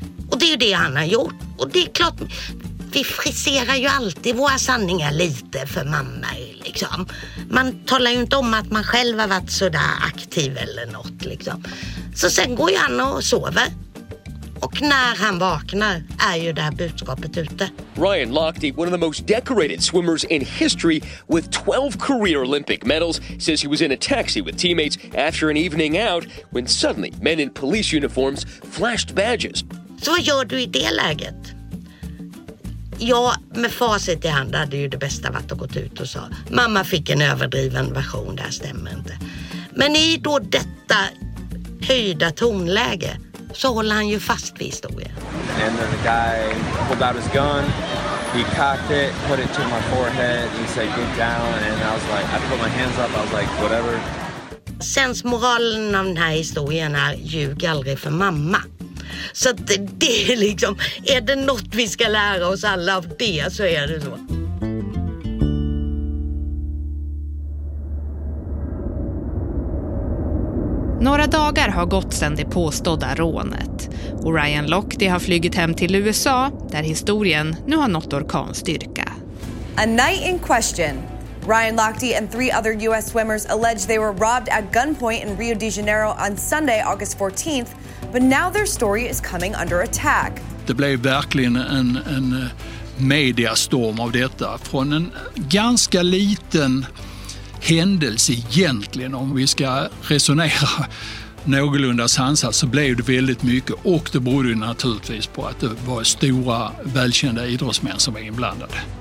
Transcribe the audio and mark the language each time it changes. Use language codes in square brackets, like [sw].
[sv] Och det är ju det han har gjort. Och det är klart, vi friserar ju alltid våra sanningar lite för mamma liksom. Man talar ju inte om att man själv har varit sådär aktiv eller något liksom. Så sen går ju han och sover. Och när han vaknar är ju det här budskapet ute. [en] Ryan Lochte, one of the most decorated swimmers in history with 12 career Olympic medals, says he was in a taxi with teammates after an evening out when suddenly men in police uniforms flashed badges. [sv] Så vad gör du i det läget? Ja, med facit i hand hade ju det bästa varit att gå ut och sa mamma fick en överdriven version, det här stämmer inte. Men i då detta höjda tonläge så håller han ju fast vid historien. [en] And then the guy pulled out his gun, he cocked it, put it to my forehead, he said get down, and I was like, I put my hands up, I was like, whatever. [sv] Sen moralen av den här historien är ljug aldrig för mamma. Så det är liksom, är det något vi ska lära oss alla av det så är det så. Några dagar har gått sedan det påstådda rånet. Och Ryan Lochte har flygit hem till USA där historien nu har nått orkanstyrka. [en] A night in question. Ryan Lochte and three other US swimmers alleged they were robbed at gunpoint in Rio de Janeiro on Sunday, August 14th. But now their story is coming under attack. [sv] Det blev verkligen en mediestorm av detta. Från en ganska liten händelse egentligen, om vi ska resonera någorlunda sansat, så blev det väldigt mycket. Och det berodde naturligtvis på att det var stora, välkända idrottsmän som var inblandade.